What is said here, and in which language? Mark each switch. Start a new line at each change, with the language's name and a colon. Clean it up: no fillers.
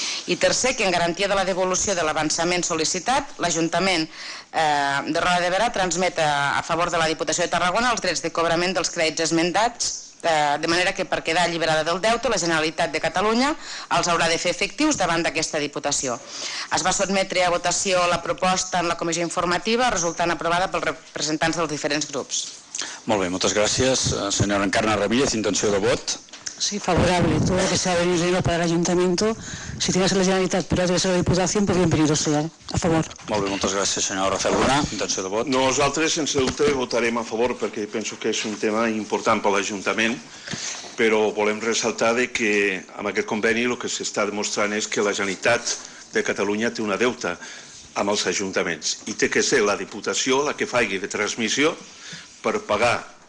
Catalan: I tercer, que en garantia de la devolució de l'avançament sol·licitat, l'Ajuntament de Roda de Berà transmet a favor de la Diputació de Tarragona els drets de cobrament dels crèdits esmentats, de manera que per quedar alliberada del deute, la Generalitat de Catalunya els haurà de fer efectius davant d'aquesta Diputació. Es va sotmetre a votació la proposta en la comissió informativa, resultant aprovada pels representants dels diferents grups. Molt bé, moltes gràcies. Senyora Encarna Ramírez, intenció de vot? Sí, favorable.
Spanish: Todo lo que sea venido para el Ayuntamiento, si tiene que ser la Generalitat, pero debe ser la Diputación, podrían venir a ser, a favor.
Catalan: Molt bé, moltes gràcies, senyora Rafael Luna. Intenció de vot? Nosaltres, sense dubte, votarem a favor perquè penso que és un tema important per l'Ajuntament, però volem ressaltar de que amb aquest conveni el que s'està demostrant és que la Generalitat de Catalunya té una deuta amb els ajuntaments i té que ser la Diputació la que faci de transmissió per pagar